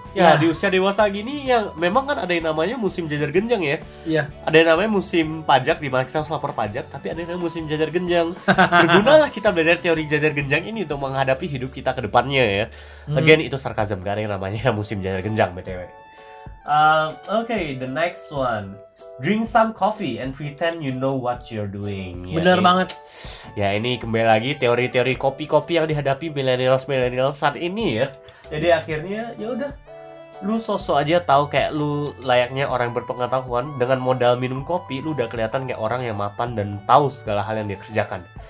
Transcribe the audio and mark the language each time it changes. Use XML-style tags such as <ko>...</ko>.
<id>Ya, ya di usia dewasa gini yang memang kan ada yang namanya musim jajar genjang ya. Iya. Ada yang namanya musim pajak di mana kita harus lapor pajak, tapi ada yang namanya musim jajar genjang. Bergunalah kita belajar teori jajar genjang ini untuk menghadapi hidup kita kedepannya ya. Again itu sarkasm, gak ada yang namanya musim jajar genjang btw.</id> <en>Okay, the next one. Drink some coffee and pretend you know what you're doing.</en> <id>Benar ya, banget. Ya ini kembali lagi teori-teori kopi-kopi yang dihadapi millennial saat ini ya. Jadi akhirnya ya udah, lu sosok aja tahu kayak lu layaknya orang berpengetahuan dengan modal minum kopi, lu udah kelihatan kayak orang yang mapan dan tahu segala hal yang dia kerjakan.</id>